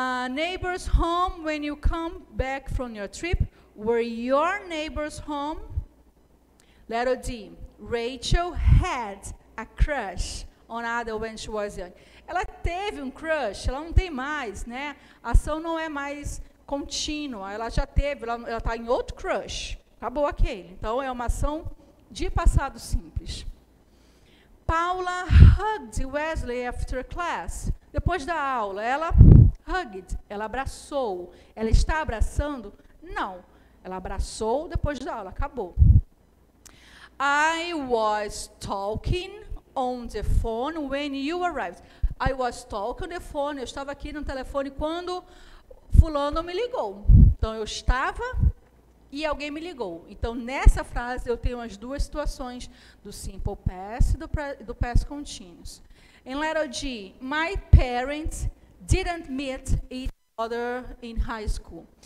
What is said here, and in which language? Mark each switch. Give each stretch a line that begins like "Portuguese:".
English: Neighbors home when you come back from your trip. Were your neighbors home? Letter D. Rachel had a crush on Ada when she was young.
Portuguese: Ela teve um crush, ela não tem mais, né? A ação não é mais contínua, ela já teve, ela está em outro crush. Acabou aquele. Então, é uma ação de passado simples.
English: Paula hugged Wesley after class.
Portuguese: Depois da aula, ela hugged, ela abraçou. Ela está abraçando? Não. Ela abraçou depois da aula, acabou.
English: I was talking on the phone when you arrived. I was talking on the phone.
Portuguese: Eu estava aqui no telefone quando fulano me ligou. Então, eu estava e alguém me ligou. Então, nessa frase, eu tenho as duas situações do simple past e do past continuous.
English: In letter D, my parents didn't meet each other in high school.